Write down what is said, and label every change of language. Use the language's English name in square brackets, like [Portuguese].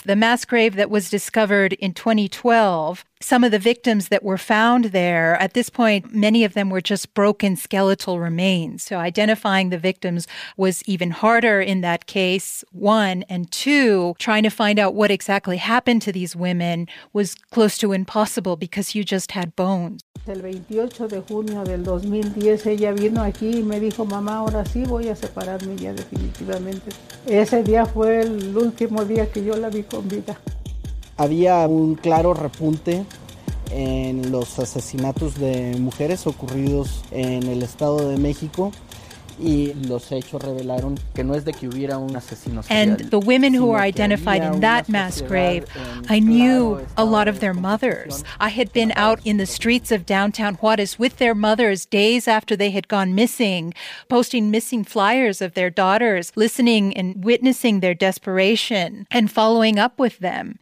[English] The mass grave that was discovered in 2012, some of the victims that were found there, at this point, many of them were just broken skeletal remains. So identifying the victims was even harder in that case, one. And two, trying to find out what exactly happened to these women was close to impossible because you just had bones. [Spanish] El 28 de junio del 2010, ella vino aquí y me dijo, mamá, ahora sí voy a separarme ya definitivamente. Ese día fue el último día que yo la vi con vida. Había un claro repunte en los asesinatos de mujeres ocurridos en el Estado de México. Y los hechos revelaron que no es de que hubiera un asesino serial. [English] And the women who were identified in that mass grave, I knew a lot of their mothers. I had been out in the streets of downtown Juarez with their mothers days after they had gone missing, posting missing flyers of their daughters, listening and witnessing their desperation and following up with them.